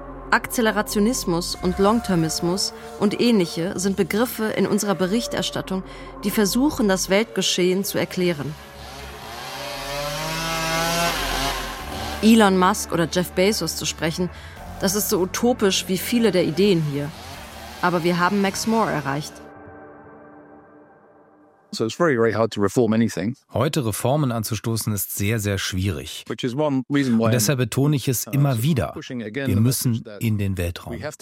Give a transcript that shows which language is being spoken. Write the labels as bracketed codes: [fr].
[de] Akzelerationismus und Longtermismus und ähnliche sind Begriffe in unserer Berichterstattung, die versuchen, das Weltgeschehen zu erklären. Elon Musk oder Jeff Bezos zu sprechen, das ist so utopisch wie viele der Ideen hier. Aber wir haben Max Moore erreicht. [en] So it's very, very hard to reform anything. [de] Heute Reformen anzustoßen ist sehr, sehr schwierig. Und deshalb betone ich es immer wieder. Wir müssen in den Weltraum.